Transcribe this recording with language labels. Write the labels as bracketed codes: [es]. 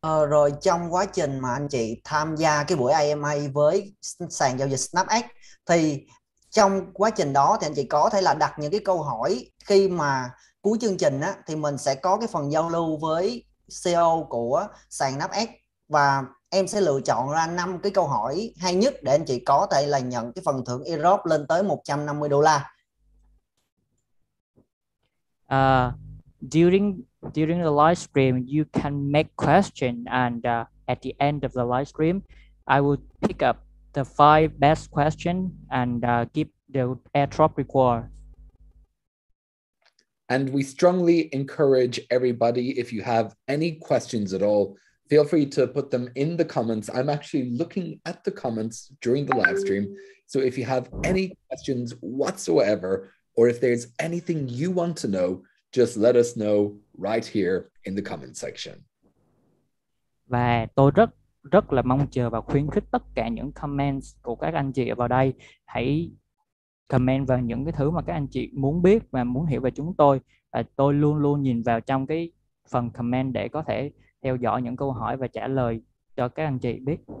[vi] Rồi trong quá trình mà anh chị tham gia cái buổi AMA với sàn giao dịch SnapX, thì trong quá trình đó thì anh chị có thể là đặt những cái câu hỏi. Khi mà cuối chương trình á, thì mình sẽ có cái phần giao lưu với CEO của sàn SnapX, và em sẽ lựa chọn ra 5 cái câu hỏi hay nhất để anh chị có thể là nhận cái phần thưởng Erop lên tới $150. [en] During the live stream, you can make question, and at the end of the live stream, I will pick up the 5 best question and give the airdrop reward. And we strongly encourage everybody, if you have any questions at all, feel free to put them in the comments. I'm actually looking at the comments during the live stream. So if you have any questions whatsoever, or if there's anything you want to know, just let us know right here in the comment section. [vi] Và tôi rất rất là mong chờ và khuyến khích tất cả những comments của các anh chị vào đây. Hãy comment vào những cái thứ mà các anh chị muốn biết và muốn hiểu về chúng tôi. Và tôi luôn luôn nhìn vào trong cái phần comment để có thể theo dõi những câu hỏi và trả lời cho các anh chị biết.